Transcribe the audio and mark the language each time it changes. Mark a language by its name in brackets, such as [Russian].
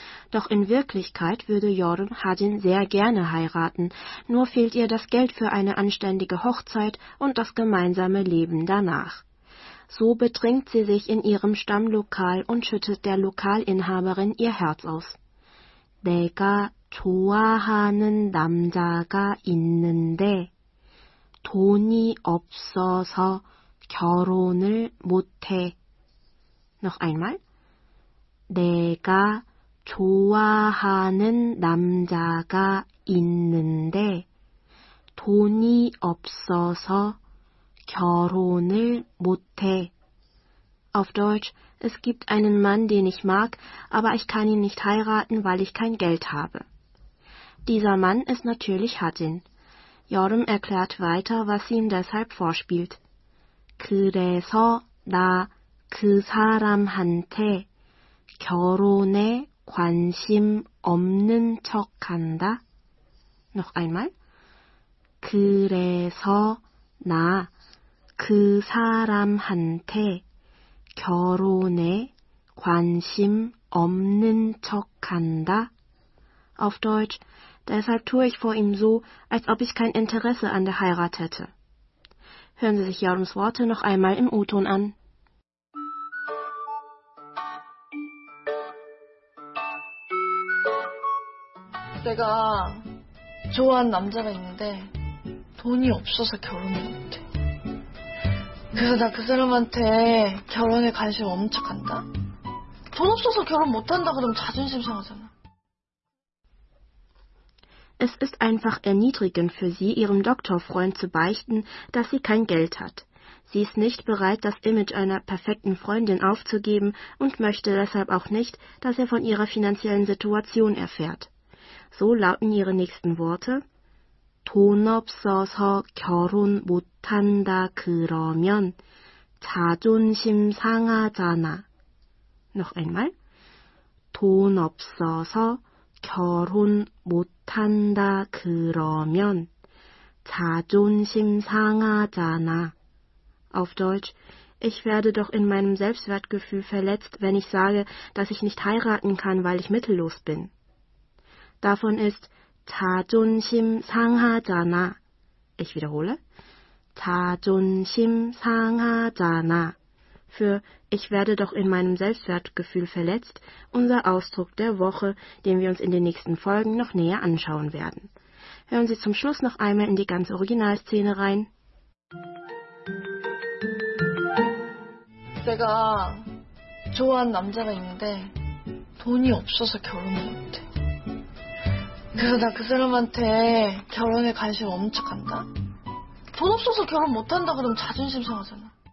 [German] Doch in Wirklichkeit würde Yeorim Hajin sehr gerne heiraten, nur fehlt ihr das Geld für eine anständige Hochzeit und das gemeinsame Leben danach. So betrinkt sie sich in ihrem Stammlokal und schüttet der Lokalinhaberin ihr Herz aus. [Korean] 내가 좋아하는 남자가 있는데 돈이 없어서 결혼을 못해. [German] Noch einmal. [Korean] 내가 좋아하는 남자가 있는데 돈이 없어서 결혼을 못해. [German] Auf Deutsch, es gibt einen Mann, den ich mag, aber ich kann ihn nicht heiraten, weil ich kein Geld habe. Dieser Mann ist natürlich Hajin. Yeorim erklärt weiter, was sie ihm deshalb vorspielt. [Korean] 그래서 나 그 사람한테 결혼에 관심 없는 척한다. [German] Noch einmal. [Korean] 그래서 나 그 사람한테 결혼에 관심 없는 척한다. [German] Auf Deutsch, deshalb tue ich vor ihm so, als ob ich kein Interesse an der Heirat hätte. Hören Sie sich Jorums Worte noch einmal im U-Ton an. [Korean] 내가 좋아하는 남자가 있는데 돈이 없어서 결혼을 못해. 그래서 나 그 사람한테 결혼에 관심 엄청 간다. 돈 없어서 결혼 못한다 그러면 자존심 상하잖아. [German] Es ist einfach erniedrigend für sie, ihrem Doktorfreund zu beichten, dass sie kein Geld hat. Sie ist nicht bereit, das Image einer perfekten Freundin aufzugeben und möchte deshalb auch nicht, dass er von ihrer finanziellen Situation erfährt. So lauten ihre nächsten Worte. [Korean] 돈 없어서 결혼 못한다 그러면 자존심 상하잖아. [German] Noch einmal. [Korean] 돈 없어서 결혼 못한다 그러면 자존심 상하잖아. [German] Auf Deutsch, ich werde doch in meinem Selbstwertgefühl verletzt, wenn ich sage, dass ich nicht heiraten kann, weil ich mittellos bin. Davon ist [Korean] 자존심 상하잖아. [German] Ich wiederhole. [Korean] 자존심 상하잖아. [German] Für ich werde doch in meinem Selbstwertgefühl verletzt, unser Ausdruck der Woche, den wir uns in den nächsten Folgen noch näher anschauen werden. Hören Sie zum Schluss noch einmal in die ganze Originalszene rein. [Korean] 내가 좋아하는 남자가 있는데 돈이 없어서 결혼을 못해. 그래서 나 그 사람한테 결혼에 관심 엄청 간다? 돈 없어서 결혼 못한다 그러면 자존심 상하잖아.